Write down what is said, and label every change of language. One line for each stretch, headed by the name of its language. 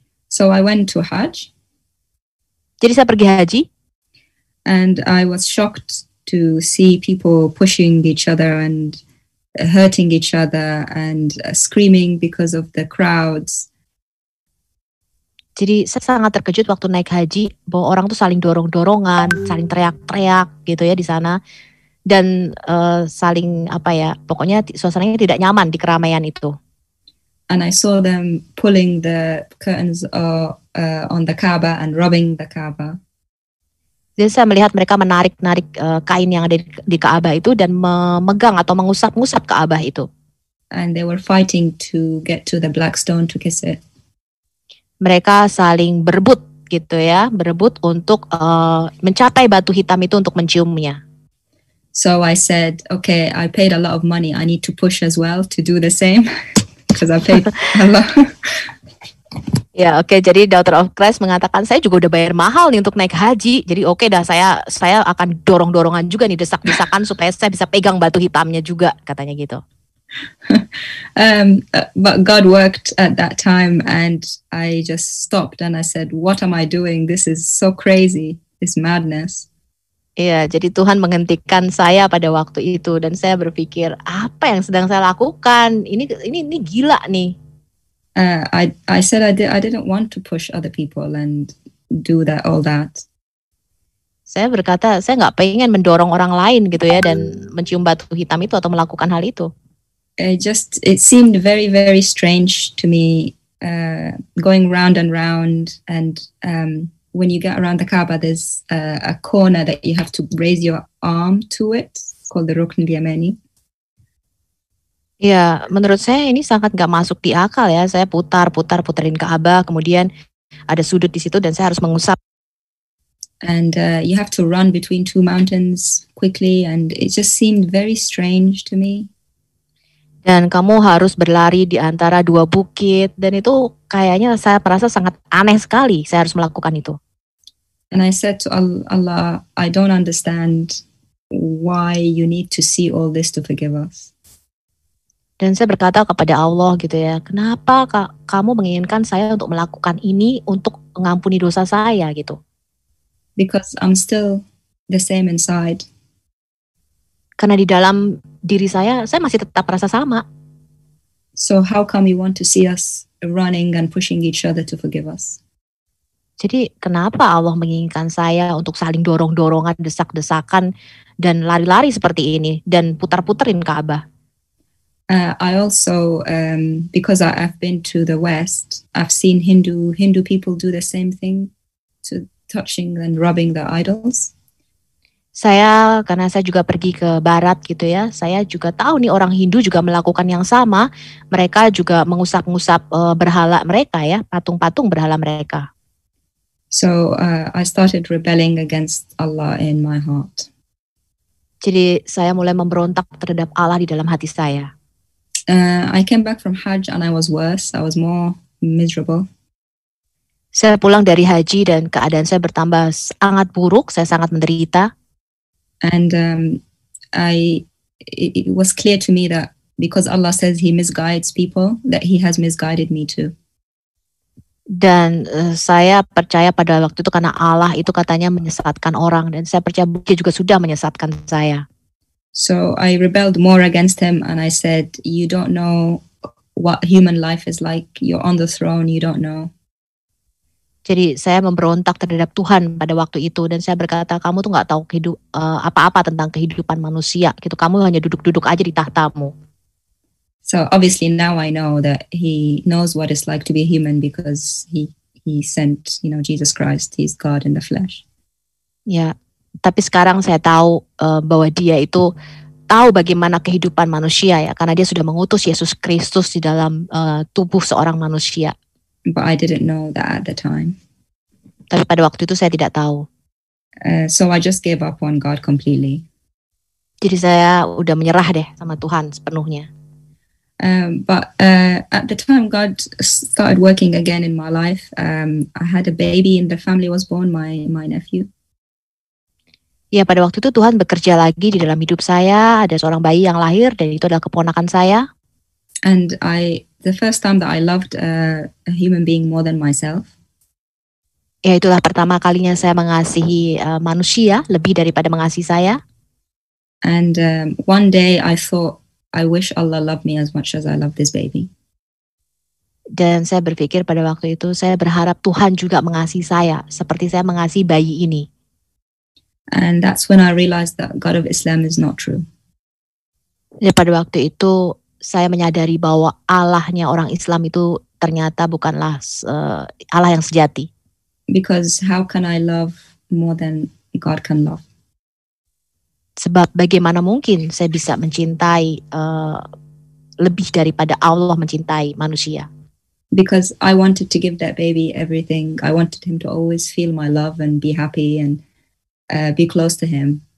English: So I went to Hajj.
Indonesian: Jadi saya pergi haji.
English: And I was shocked to see people pushing each other and hurting each other and screaming because of the crowds.
Indonesian: Jadi saya sangat terkejut waktu naik haji bahwa orang tuh saling dorong-dorongan, saling teriak-teriak gitu ya di sana. Dan saling apa ya, pokoknya suasananya tidak nyaman di keramaian itu.
English: And I saw them pulling the curtains on the Kaaba and rubbing the Kaaba.
Indonesian: Jadi saya melihat mereka menarik-narik kain yang ada di Kaaba itu dan memegang atau mengusap-ngusap Kaaba itu.
English: And they were fighting to get to the black stone to kiss it.
Indonesian: Mereka saling berebut gitu ya, berebut untuk mencapai batu hitam itu untuk menciumnya.
English: So I said, okay, I paid a lot of money. I need to push as well to do the same because I paid a lot.
Indonesian: Ya, okay. Jadi Daughter of Christ mengatakan saya juga udah bayar mahal nih untuk naik haji. Jadi okay, dah saya akan dorong-dorongan juga nih, desak-desakan supaya saya bisa pegang batu hitamnya juga, katanya gitu.
English: But God worked at that time, and I just stopped and I said, "What am I doing? This is so crazy. It's madness."
Indonesian: Iya, jadi Tuhan menghentikan saya pada waktu itu dan saya berpikir, apa yang sedang saya lakukan? Ini gila nih.
English: I said I didn't want to push other people and do that all that.
Indonesian: Saya berkata, saya enggak pengen mendorong orang lain gitu ya dan mencium batu hitam itu atau melakukan hal itu.
English: It seemed very very strange to me going round and round and when you get around the Kaaba, there's a corner that you have to raise your arm to it, called the Rukn Yamani.
Indonesian: Ya, menurut saya ini sangat gak masuk di akal ya. Saya putar-putar-puterin Kaabah, kemudian ada sudut di situ dan saya harus mengusap.
English: And you have to run between two mountains quickly, and it just seemed very strange to me.
Indonesian: Dan kamu harus berlari di antara dua bukit, dan itu kayaknya saya merasa sangat aneh sekali saya harus melakukan itu.
English: And I said to Allah, "I don't understand why you need to see all this to forgive us."
Indonesian: Dan saya berkata kepada Allah gitu ya, kenapa kamu menginginkan saya untuk melakukan ini untuk mengampuni dosa saya gitu?
English: Because I'm still the same inside.
Indonesian: Karena di dalam diri saya masih tetap merasa sama.
English: So how come you want to see us running and pushing each other to forgive us?
Indonesian: Jadi kenapa Allah menginginkan saya untuk saling dorong-dorongan, desak-desakan, dan lari-lari seperti ini, dan putar-puterin Kaabah?
English: I also, because I've been to the West, I've seen Hindu people do the same thing, to touching and rubbing the idols.
Indonesian: Saya, karena saya juga pergi ke Barat gitu ya, saya juga tahu nih orang Hindu juga melakukan yang sama, mereka juga mengusap-ngusap berhala mereka ya, patung-patung berhala mereka.
English: So I started rebelling against Allah in my heart.
Indonesian: Jadi saya mulai memberontak terhadap Allah di dalam hati saya.
English: I came back from Hajj and I was worse, I was more miserable.
Indonesian: Saya pulang dari haji dan keadaan saya bertambah sangat buruk, saya sangat menderita.
English: And it was clear to me that because Allah says he misguides people, that he has misguided me too.
Indonesian: Dan saya percaya pada waktu itu karena Allah itu katanya menyesatkan orang, dan saya percaya dia juga sudah menyesatkan saya.
English: So I rebelled more against him and I said, "You don't know what human life is like. You're on the throne, you don't know."
Indonesian: Jadi saya memberontak terhadap Tuhan pada waktu itu dan saya berkata, "Kamu tuh enggak tahu apa-apa tentang kehidupan manusia gitu. Kamu hanya duduk-duduk aja di tahtamu."
English: So obviously now I know that he knows what it's like to be human because he sent, you know, Jesus Christ, he's God in the flesh.
Indonesian: Ya, tapi sekarang saya tahu bahwa dia itu tahu bagaimana kehidupan manusia ya, karena dia sudah mengutus Yesus Kristus di dalam tubuh seorang manusia.
English: But I didn't know that at the time.
Indonesian: Tapi pada waktu itu saya tidak tahu.
English: So I just gave up on God completely.
Indonesian: Jadi saya udah menyerah deh sama Tuhan sepenuhnya.
English: But at the time God started working again in my life. I had a baby and the family was born, my nephew.
Indonesian: Ya, pada waktu itu Tuhan bekerja lagi di dalam hidup saya. Ada seorang bayi yang lahir dan itu adalah keponakan saya.
English: And the first time that I loved a human being more than myself.
Indonesian: Ya, itulah pertama kalinya saya mengasihi manusia lebih daripada mengasihi saya.
English: And one day I thought, "I wish Allah loved me as much as I love this baby."
Indonesian: Dan saya berpikir pada waktu itu, saya berharap Tuhan juga mengasihi saya seperti saya mengasihi bayi ini.
English: And that's when I realized that God of Islam is not true.
Indonesian: Ya, pada waktu itu saya menyadari bahwa Allahnya orang Islam itu ternyata bukanlah Allah yang sejati.
English: Because how can I love more than God can love?
Indonesian: Sebab bagaimana mungkin saya bisa mencintai lebih daripada Allah mencintai manusia?
English: Because I wanted to give that baby everything. I wanted him to always feel my love and be happy and be close to him.